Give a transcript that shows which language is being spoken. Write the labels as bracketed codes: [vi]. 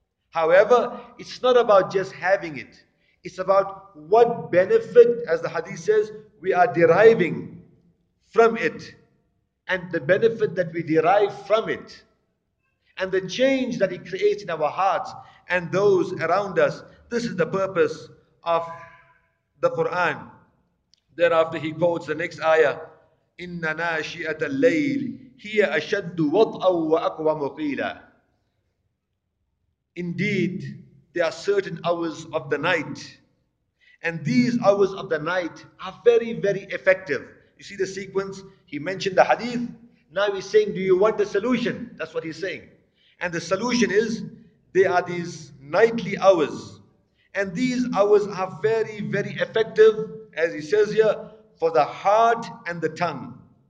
[en] However, it's not about just having it. It's about what benefit, as the hadith says, we are deriving from it. And the benefit that we derive from it. and the change that it creates in our hearts and those around us. This is the purpose of the Quran. Thereafter, he quotes the next ayah, [ar] إِنَّ نَاشِئَةَ اللَّيْلِ هِيَ أَشَدُّ وَطْأً وَأَقْوَمُ قِيلًا. [en] Indeed, there are certain hours of the night, and these hours of the night are very, very effective. You see the sequence? He mentioned the hadith. Now he's saying, do you want the solution? That's what he's saying. And the solution is, there are these nightly hours, and these hours are very, very effective, as he says here, for the heart and the tongue.